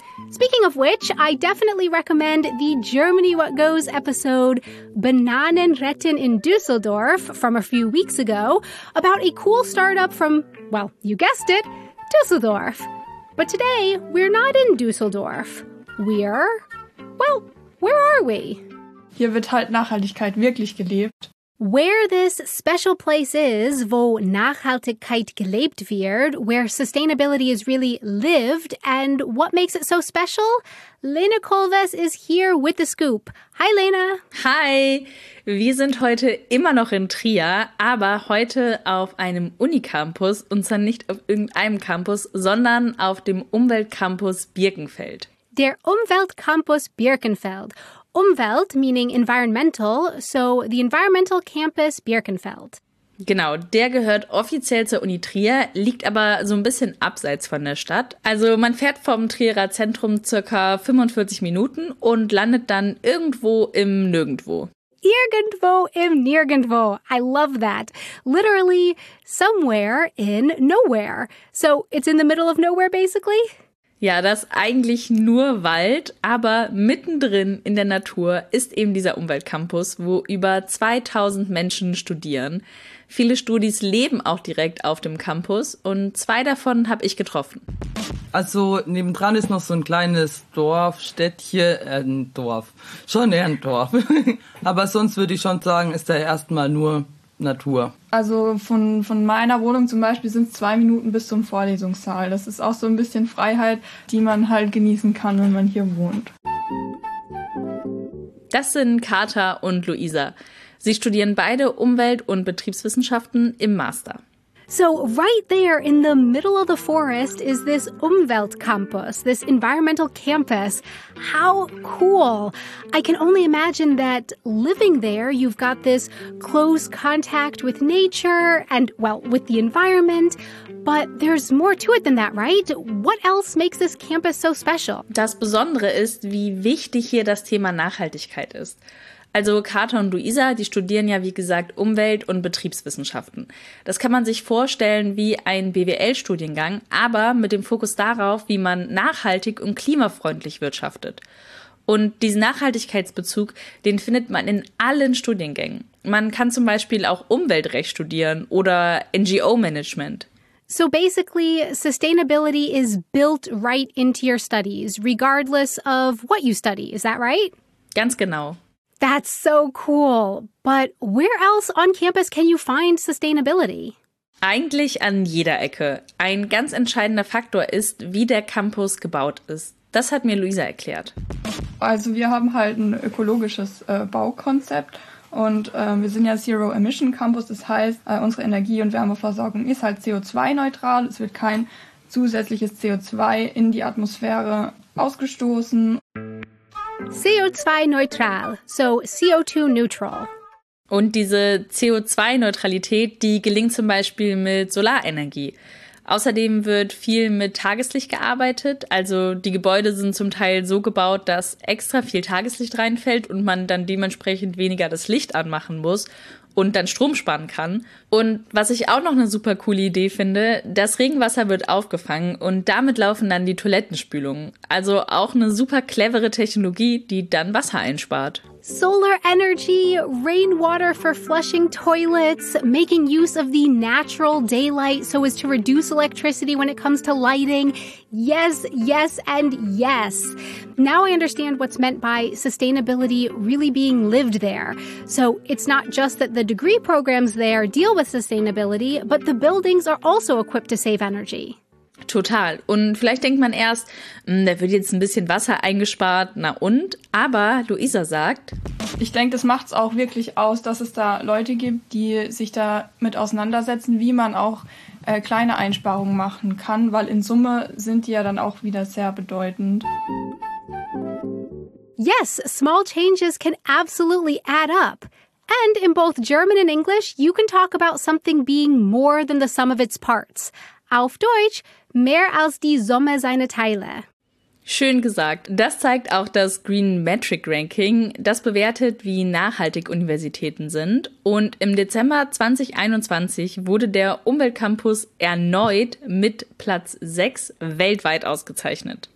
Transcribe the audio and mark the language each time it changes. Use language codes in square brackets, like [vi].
[en] Speaking of which, I definitely recommend the Germany What Goes episode Bananen retten in Düsseldorf from a few weeks ago about a cool startup from, well, you guessed it, Düsseldorf. But today, we're not in Düsseldorf. We're, well, where are we? [de] Hier wird halt Nachhaltigkeit wirklich gelebt. [en] Where this special place is, [de] wo Nachhaltigkeit gelebt wird, [en] where sustainability is really lived, and what makes it so special? Lena Kolves is here with the scoop. Hi, Lena. Hi. [de] Wir sind heute immer noch in Trier, aber heute auf einem Unicampus, und zwar nicht auf irgendeinem Campus, sondern auf dem Umweltcampus Birkenfeld. Der Umweltcampus Birkenfeld. [en] Umwelt, meaning environmental, so the environmental campus Birkenfeld. [de] Genau, der gehört offiziell zur Uni Trier, liegt aber so ein bisschen abseits von der Stadt. Also man fährt vom Trierer Zentrum circa 45 Minuten und landet dann irgendwo im Nirgendwo. Irgendwo im Nirgendwo. [en] I love that. Literally somewhere in nowhere. So it's in the middle of nowhere basically? [de] Ja, das ist eigentlich nur Wald, aber mittendrin in der Natur ist eben dieser Umweltcampus, wo über 2000 Menschen studieren. Viele Studis leben auch direkt auf dem Campus und zwei davon habe ich getroffen. Also nebendran ist noch so ein kleines Dorf, Städtchen, ein Dorf, schon eher ein Dorf. Aber sonst würde ich schon sagen, ist da erstmal nur Natur. Also von meiner Wohnung zum Beispiel sind es 2 Minuten bis zum Vorlesungssaal. Das ist auch so ein bisschen Freiheit, die man halt genießen kann, wenn man hier wohnt. Das sind Kata und Luisa. Sie studieren beide Umwelt- und Betriebswissenschaften im Master. [en] So right there in the middle of the forest is this Umweltcampus, this environmental campus. How cool! I can only imagine that living there, you've got this close contact with nature and, well, with the environment. But there's more to it than that, right? What else makes this campus so special? [de] Das Besondere ist, wie wichtig hier das Thema Nachhaltigkeit ist. Also Kata und Luisa, die studieren ja wie gesagt Umwelt- und Betriebswissenschaften. Das kann man sich vorstellen wie ein BWL-Studiengang, aber mit dem Fokus darauf, wie man nachhaltig und klimafreundlich wirtschaftet. Und diesen Nachhaltigkeitsbezug, den findet man in allen Studiengängen. Man kann zum Beispiel auch Umweltrecht studieren oder NGO-Management. [en] So basically, sustainability is built right into your studies, regardless of what you study, is that right? [de] Ganz genau. [en] That's so cool. But where else on campus can you find sustainability? [de] Eigentlich an jeder Ecke. Ein ganz entscheidender Faktor ist, wie der Campus gebaut ist. Das hat mir Luisa erklärt. Also wir haben halt ein ökologisches Baukonzept und wir sind ja Zero Emission Campus. Das heißt, unsere Energie- und Wärmeversorgung ist halt CO2-neutral. Es wird kein zusätzliches CO2 in die Atmosphäre ausgestoßen. [en] CO2-neutral, so CO2-neutral. [de] Und diese CO2-Neutralität, die gelingt zum Beispiel mit Solarenergie. Außerdem wird viel mit Tageslicht gearbeitet. Also die Gebäude sind zum Teil so gebaut, dass extra viel Tageslicht reinfällt und man dann dementsprechend weniger das Licht anmachen muss und dann Strom sparen kann. Und was ich auch noch eine super coole Idee finde, das Regenwasser wird aufgefangen und damit laufen dann die Toilettenspülungen. Also auch eine super clevere Technologie, die dann Wasser einspart. [en] solar energy, rainwater for flushing toilets, making use of the natural daylight so as to reduce electricity when it comes to lighting. Yes, yes, and yes. Now I understand what's meant by sustainability really being lived there. So it's not just that the degree programs there deal with sustainability, but the buildings are also equipped to save energy. [de] Total. Und vielleicht denkt man erst, da wird jetzt ein bisschen Wasser eingespart, na und? Aber Luisa sagt... Ich denke, das macht es auch wirklich aus, dass es da Leute gibt, die sich damit auseinandersetzen, wie man auch kleine Einsparungen machen kann, weil in Summe sind die ja dann auch wieder sehr bedeutend. [en] Yes, small changes can absolutely add up. And in both German and English, you can talk about something being more than the sum of its parts. [de] Auf Deutsch, mehr als die Summe seiner Teile. Schön gesagt. Das zeigt auch das Green Metric Ranking, das bewertet, wie nachhaltig Universitäten sind. Und im Dezember 2021 wurde der Umweltcampus erneut mit Platz 6 weltweit ausgezeichnet.